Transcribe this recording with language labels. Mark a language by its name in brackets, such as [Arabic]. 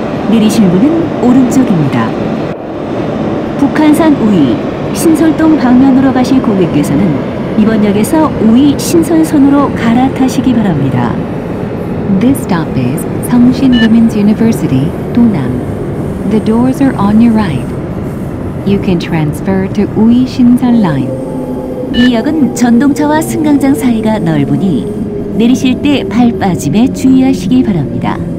[Korean] 내리실 문은 오른쪽입니다. 북한산 우이 신설동 방면으로 가실 고객께서는 이번 역에서 우이 신설선으로 갈아타시기 바랍니다. [English] This stop is 성신 Women's University, 도남. The doors are on your right. You can transfer to 우이 신설 line. [Korean] 이 역은 전동차와 승강장 사이가 넓으니 내리실 때 발 빠짐에 주의하시기 바랍니다.